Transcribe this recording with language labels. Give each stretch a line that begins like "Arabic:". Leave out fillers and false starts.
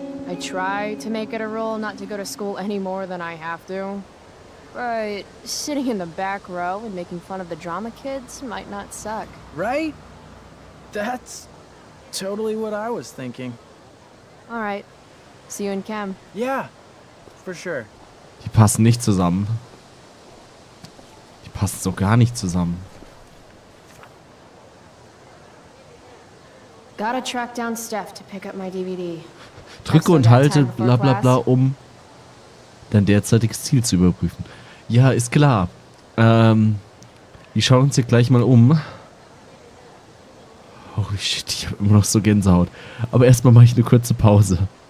English: I try to make it a rule not to go to school any more than I have to. But sitting in the back row and making fun of the drama kids might not suck. Right? That's totally what I was thinking. All right. See you in Chem. Yeah, for sure.
German: Die passen nicht zusammen. Die passen so gar nicht zusammen.
English: Gotta track down Steph to pick up my DVD.
German: Drücke und halte bla bla bla, um dein derzeitiges Ziel zu überprüfen. Ja, ist klar. Wir schauen uns hier gleich mal um.
English: Holy shit,
German: ich habe immer noch so Gänsehaut. Aber erstmal mache ich eine kurze Pause.